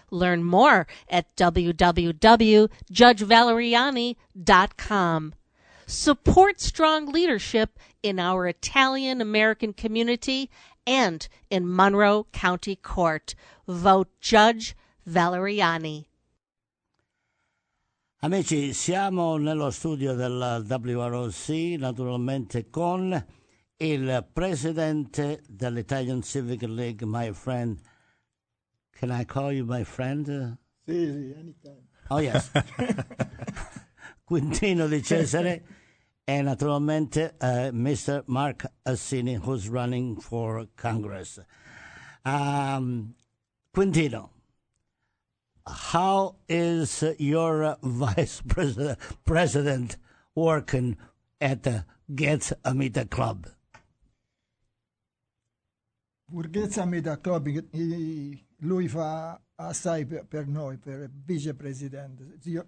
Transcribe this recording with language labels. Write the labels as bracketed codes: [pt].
[en] Learn more at www.judgevaleriani.com. Support strong leadership in our Italian-American community and in Monroe County Court. Vote Judge Valeriani. [it] Amici, siamo nello studio del WROC, naturalmente con il presidente dell'Italian Civic League, [en] my friend. Can I call you my friend? [it] Sì, sì, [en] anytime. Oh, yes. Quintino Di Cesare [it] e naturalmente [en] Mr. Mark Assini, who's running for Congress. Quintino, how is your vice president working at the Gets a Meter Club? [it] Burghezza Meta Club, lui fa assai per noi, per vicepresidente.